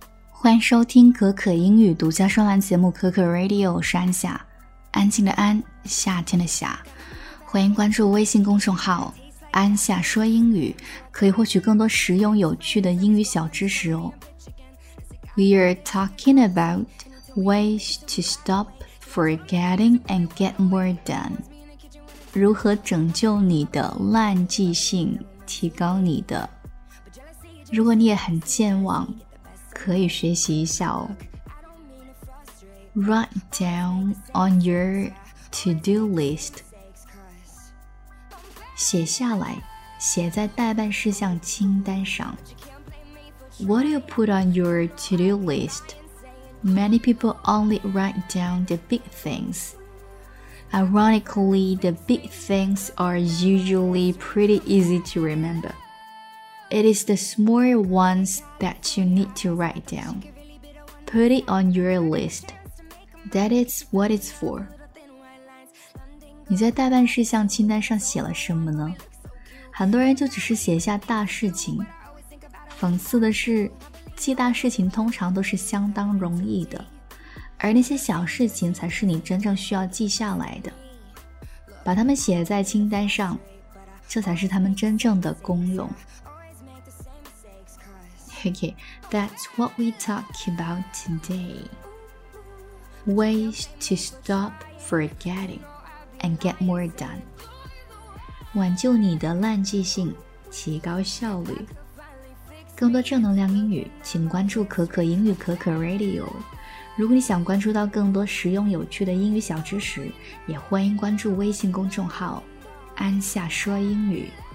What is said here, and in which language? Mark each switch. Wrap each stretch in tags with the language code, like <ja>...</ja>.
<zh>欢迎收听可可英语独家专栏节目可可 Radio， 我是安夏，安静的安，夏天的夏。欢迎关注微信公众号安夏说英语，可以获取更多实用有趣的英语小知识哦。</zh> <en>We are talking about ways to stop forgetting and get more done.</en> <zh>如何拯救你的烂记性，提高你的。如果你也很健忘，可以学习一下哦。</zh> <en>Write down on your to-do list.</en> <zh>写下来，写在待办事项清单上。</zh> <en>What do you put on your to-do list? Many people only write down the big things. Ironically, the big things are usually pretty easy to remember. It is the small ones that you need to write down. Put it on your list. That is what it's for.</en> <zh>你在待办事项清单上写了什么呢？很多人就只是写下大事情。讽刺的是，记大事情通常都是相当容易的，而那些小事情才是你真正需要记下来的。把它们写在清单上，这才是它们真正的功用。</zh> <en>Okay, that's what we talk about today. Ways to stop forgetting and get more done.</en> <zh>挽救你的烂记性，提高效率。更多正能量英语请关注可可英语可可 Radio。如果你想关注到更多实用有趣的英语小知识，也欢迎关注微信公众号安夏说英语。</zh>